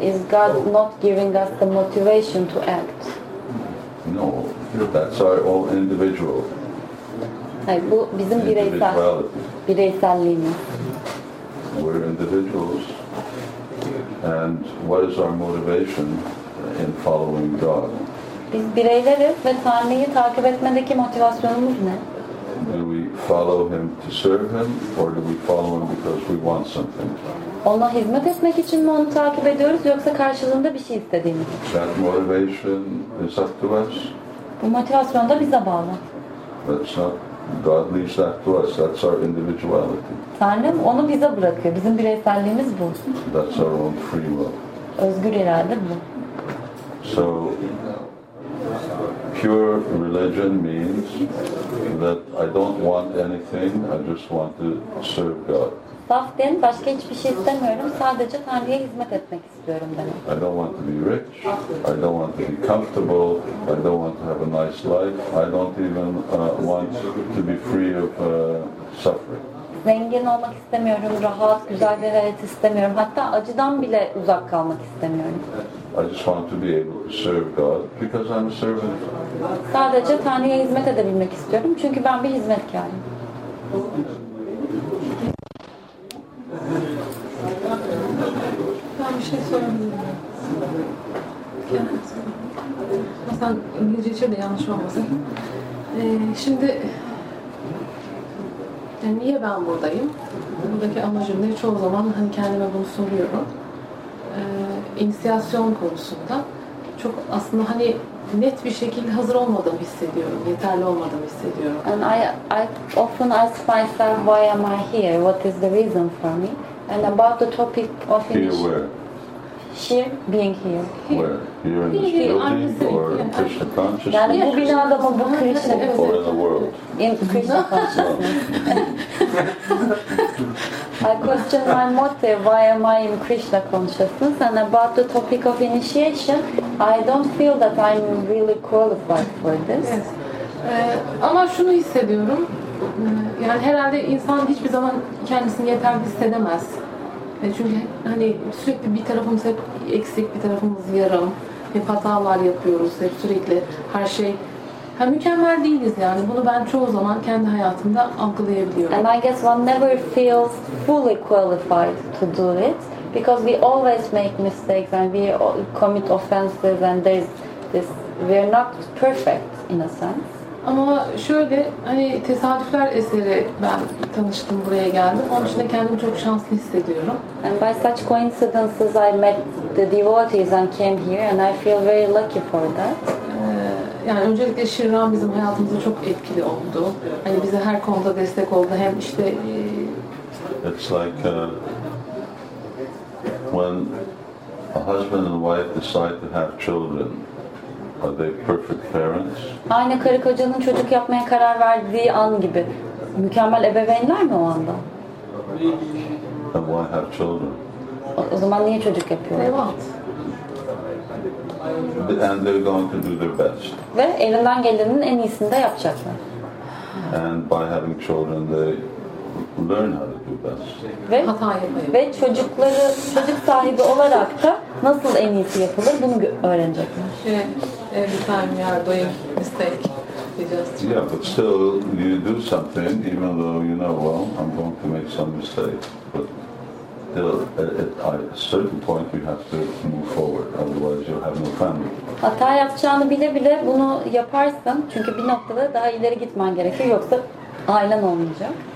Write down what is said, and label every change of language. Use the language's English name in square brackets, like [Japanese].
[English] Is God not giving us the motivation to act? No, that's our all individual. [Turkish] Hayır, bu bizim bireyselliğimiz. [English] We're individuals, and what is our motivation in following God? [Turkish] Biz bireyleriz ve Tanrı'yı takip etmedeki motivasyonumuz ne? [English] Do we follow him to serve him, or do we follow him because we want something? [Turkish] Ona hizmet etmek için mi onu takip ediyoruz, yoksa karşılığında bir şey istediğimiz? [English] That motivation is up to us. [Turkish] Bu motivasyon da bize bağlı. [English] That's not God leaves that to us. That's our individuality. [Turkish] Tanrı onu bize bırakıyor. Bizim bireyselliğimiz bu. [English] That's our own free will. [Turkish] Özgür irade bu. [English] So, pure religion means that I don't want anything, I just want to serve God. [Turkish] Saf din, başka hiçbir şey istemiyorum, sadece Tanrı'ya hizmet etmek istiyorum demek. [English] I don't want to be rich, I don't want to be comfortable, I don't want to have a nice life, I don't even want to be free of suffering. [Turkish] Zengin olmak istemiyorum, rahat, güzel bir hayat istemiyorum, hatta acıdan bile uzak kalmak istemiyorum. [English] I just want to be able to serve God because I'm a servant. [Turkish] Sadece Tanrı'ya hizmet edebilmek istiyorum çünkü ben bir hizmetkarım. Ben bir şey sorabilirim. Sen İngilizce de yanlış olmasın. Şimdi yani niye ben buradayım? Buradaki amacım ne? Çoğu zaman hani kendime bunu soruyorum. İnisiyasyon konusunda çok aslında hani net bir şekilde hazır olmadığımı hissediyorum. Yeterli olmadığımı hissediyorum. [English] And I often ask myself, why am I here? What is the reason for me? And about the topic of here, where? Here, being here. Where? Here in this building or Krishna consciousness? [Turkish] Yani bu binada mı, bu Krishna [English] mı? Or in the world? In Krishna consciousness. I question my motive, why am I in Krishna consciousness? And about the topic of initiation, I don't feel that I'm really qualified for this. [Turkish] Yes. Ama şunu hissediyorum. Yani herhalde insan hiçbir zaman kendisini yeterli hissedemez. Çünkü hani sürekli bir tarafımız hep eksik, bir tarafımız yarım. Hep hatalar yapıyoruz, hep sürekli her şey. Hem mükemmel değiliz yani. Bunu ben çoğu zaman kendi hayatımda algılayabiliyorum. [English] And I guess one never feels fully qualified to do it because we always make mistakes and we commit offenses and there's this, we're not perfect in a sense. [Turkish] Ama şöyle, hani tesadüfler eseri ben tanıştım, buraya geldim. Onun için de kendimi çok şanslı hissediyorum. [English] And by such coincidences I met the devotees and came here and I feel very lucky for that. [Turkish] Yani öncelikle Shri Ram bizim hayatımızda çok etkili oldu. Hani bize her konuda destek oldu. Hem işte [English] it's like when a husband and wife decide to have children. Are they perfect parents? [Turkish] Aynı karı kocanın çocuk yapmaya karar verdiği an gibi. Mükemmel ebeveynler mi o anda? [English] And why have children? [Turkish] O zaman niye çocuk yapıyorlar? Devam. [English] And they're going to do their best. [Turkish] Ve elinden gelenin en iyisini de yapacaklar. [English] And by having children they learn how to do best. [Turkish] Ve hata yapmayı. Ve çocukları, çocuk sahibi olarak da nasıl en iyisi yapılır bunu öğrenecekler. [English] Every time you are doing mistake, you just... Yeah, but still, you do something, even though you know, well, I'm going to make some mistakes. But still, at a certain point, you have to move forward, otherwise you'll have no family. [Turkish] Hata yapacağını bile bile bunu yaparsın, çünkü bir noktada daha ileri gitmen gerekiyor, yoksa ailen olmayacak.